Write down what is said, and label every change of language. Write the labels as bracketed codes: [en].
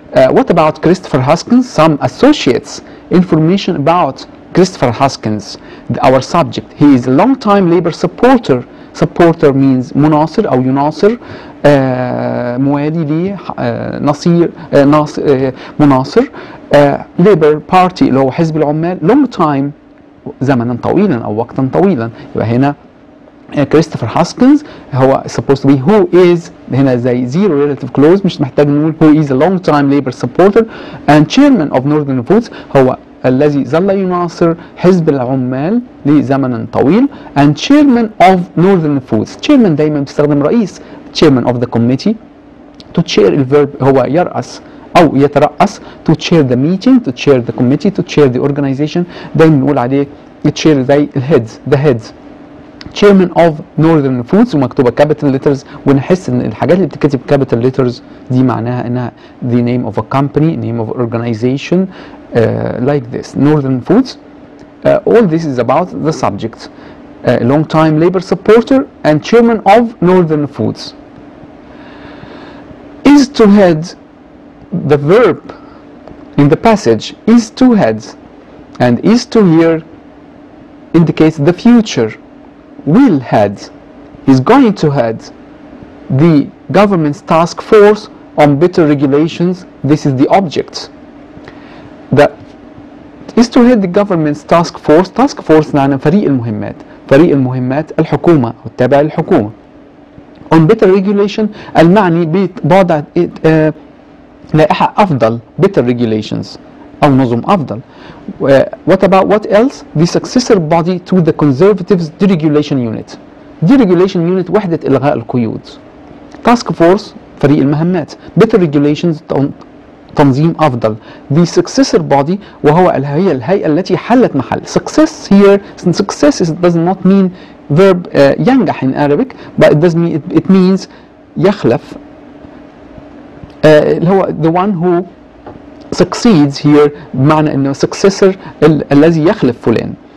[en] What about Christopher Haskins? Some associates, information about Christopher Haskins, our subject. He is a long-time labor supporter. Supporter means [ar] مناصر أو يناصر, موالي لي, نصير, مناصر, Labour Party اللي هو حزب العمال, [en] long time, [ar] زمنا طويلا أو وقتا طويلا. يبقى هنا كريستوفر هاسكنز هو [en] supposed to be who is, [ar] هنا زي [en] zero relative clause, [ar] مش محتاج نقول [en] who is a long time Labour supporter and chairman of Northern Foods, [ar] هو الذي ظل يناصر حزب العمال لزمن طويل, [en] and chairman of Northern Foods. Chairman [ar] دائما بيستخدم رئيس, [en] chairman of the committee. To chair, [ar] الverb هو يرأس أو يترأس. [en] To chair the meeting, to chair the committee, to chair the organization, [ar] دائما نقول عليه [en] chair زي الheads, the heads. Chairman of Northern Foods [ar] ومكتوبة [en] capital letters, [ar] ونحس ان الحاجات اللي بتكتب [en] capital letters [ar] دي معناها انها [en] the name of a company, name of organization, like this, Northern Foods. All this is about the subject. A long time labor supporter and chairman of Northern Foods. Is to head, the verb in the passage is to head, and is to hear indicates the future. Will head, he's going to head the government's task force on better regulations. This is the object. That is to head the government's task force. [ar] Task force معنى فريق المهمات. فريق المهمات الحكومة أو التابع للحكومة. [en] On better regulation [ar] المعني بوضع لائحة أفضل. [en] Better regulations [ar] أو نظم أفضل. [en] What about what else? The successor body to the conservatives deregulation unit. [ar] Deregulation unit وحدة إلغاء القيود. Task force فريق المهمات. [en] Better regulations [ar] تنظيم أفضل. [en] The successor body [ar] وهو هي الهيئة التي حلت محل. [en] Success here, success is, does not mean verb ينجح in Arabic, but it, does mean, it means يخلف. [ar] اللي هو [en] the one who succeeds here [ar] بمعنى انه successor الذي يخلف فلان.